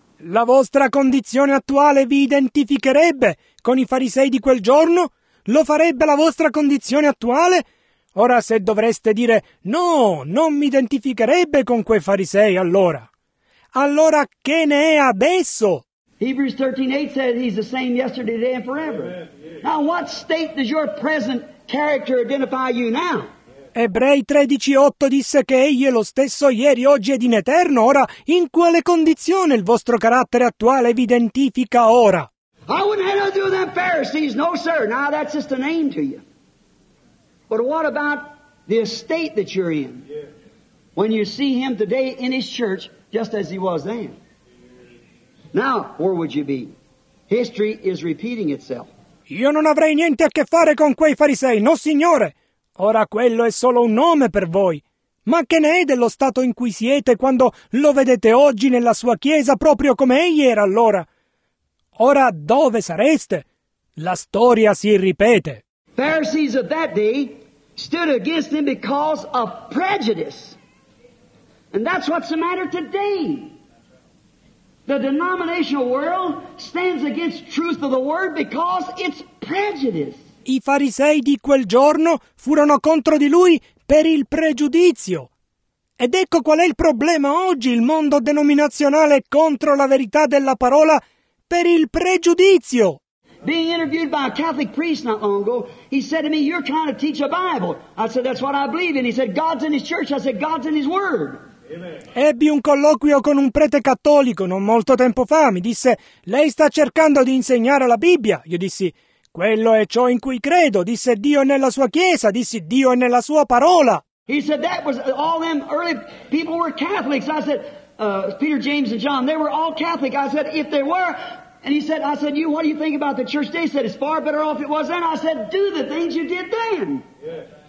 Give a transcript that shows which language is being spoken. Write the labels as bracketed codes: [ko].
[it] La vostra condizione attuale vi identificherebbe con i farisei di quel giorno? Lo farebbe la vostra condizione attuale? Ora, se dovreste dire no, non mi identificherebbe con quei farisei allora. Allora che ne è adesso? [en] Hebrews 13:8 said he's the same yesterday, today and forever. Now what state does your present character identify you now? [it] Ebrei 13:8 disse che egli è lo stesso ieri, oggi ed in eterno. Ora, in quale condizione il vostro carattere attuale vi identifica ora? [en] I wouldn't have nothing to do with them Pharisees, no sir. Now that's just a name to you. But what about the estate that you're in? When you see him today in his church, just as he was then. Now, where would you be? History is repeating itself. [it] Io non avrei niente a che fare con quei farisei, no signore. Ora quello è solo un nome per voi. Ma che ne è dello stato in cui siete quando lo vedete oggi nella sua chiesa proprio come egli era allora? Ora dove sareste? La storia si ripete. [en] Pharisees of that day stood against him because of prejudice. And that's what's the matter today. The denominational world stands against truth of the word because it's prejudice. [it] I farisei di quel giorno furono contro di lui per il pregiudizio. Ed ecco qual è il problema oggi, il mondo denominazionale contro la verità della parola per il pregiudizio. [en] Being interviewed by a Catholic priest not long ago, he said to me, you're trying to teach a Bible. I said, that's what I believe in. He said, God's in his church. I said, God's in his word. [it] Ebbi un colloquio con un prete cattolico non molto tempo fa. Mi disse, lei sta cercando di insegnare la Bibbia. Io dissi, Quello è ciò in cui credo, disse Dio nella sua chiesa, disse Dio nella sua parola. [en] He said that was all them early people were Catholics. I said, Peter, James and John, they were all Catholic. I said, if they were, and he said, I said, you, what do you think about the church today? He said, it's far better off it was then. I said, do the things you did then. Yes.